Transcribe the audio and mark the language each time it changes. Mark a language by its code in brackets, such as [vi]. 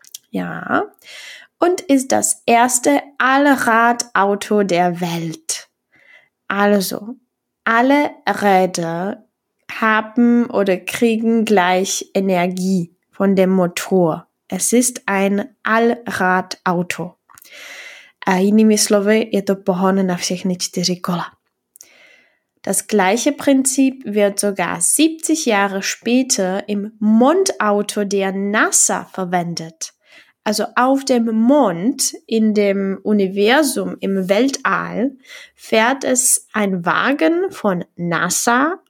[de] Ja, und ist das erste Allradauto der Welt. Also, alle Räder haben oder kriegen gleich Energie von dem Motor. Es ist ein Allradauto. [cs] A jinými slovy, je to pohon na všechny čtyři kola. [de] Das gleiche Prinzip wird sogar 70 Jahre später im Mondauto der NASA verwendet. Also auf dem Mond, in dem Universum, im Weltall, fährt es ein Wagen von NASA.